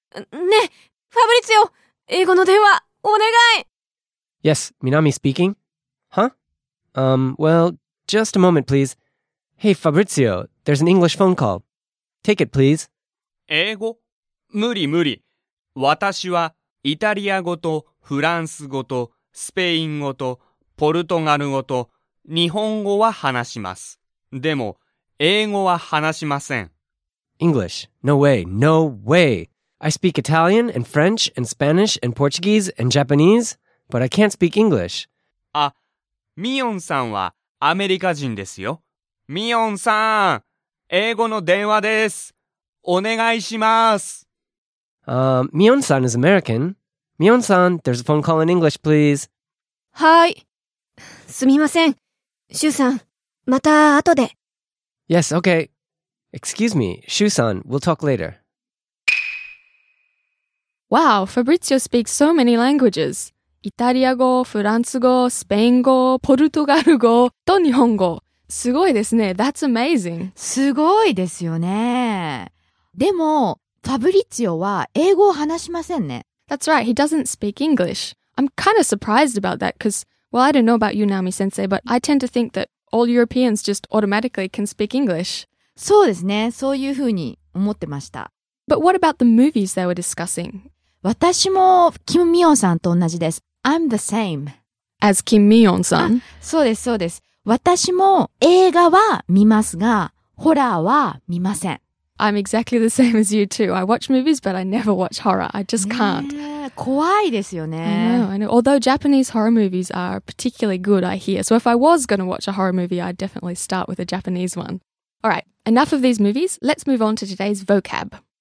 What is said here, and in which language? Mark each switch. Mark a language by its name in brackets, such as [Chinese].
[Japanese] ね、ファブリツィオ、英語の電話、お願い。 [English] Yes, Minami speaking. Well, just a moment, please. Hey, Fabrizio, there's an English phone call. Take it, please. [Japanese] 英語？無理無理。私はイタリア語とフランス語とスペイン語とポルトガル語と日本語は話します。でも、英語は話しません。 [English] English? No way, no way. I speak Italian and French and Spanish and Portuguese and Japanese, but I can't speak English. [Japanese] あ、ミヨンさんはアメリカ人ですよ。ミヨンさん、英語の電話です。お願いします。 [English] Mion-san is American. Mion-san, there's a phone call in English, please. [Japanese] はい。すみません。シュウさん、また後で。 [English] Yes, okay. Excuse me, Shu-san, we'll talk later. Wow, Fabrizio speaks so many languages. [Japanese] イタリア語、フランス語、スペイン語、ポルトガル語と日本語。すごいですね。 [English] That's amazing. [Japanese] すごいですよね。でも、Fabrizio は英語を話しませんね。 [English] That's right, he doesn't speak English. I'm kind of surprised about that, because, well, I don't know about you, Naomi-sensei, but I tend to think that all Europeans just automatically can speak English. [Japanese] そうですね、そういうふうに思ってました。 [English] But what about the movies they were discussing? [Japanese] 私もキム・ミヨンさんと同じです。 [English] I'm the same. As Kim Mi-yeon-san? [Japanese] そうです、そうです。私も映画は見ますが、ホラーは見ません。 [English] I'm exactly the same as you too. I watch movies, but I never watch horror. I just can't. [Japanese] 怖いですよね。 [English] I know. Although Japanese horror movies are particularly good, I hear. So if I was going to watch a horror movie, I'd definitely start with a Japanese one. All right, enough of these movies. Let's move on to today's vocab.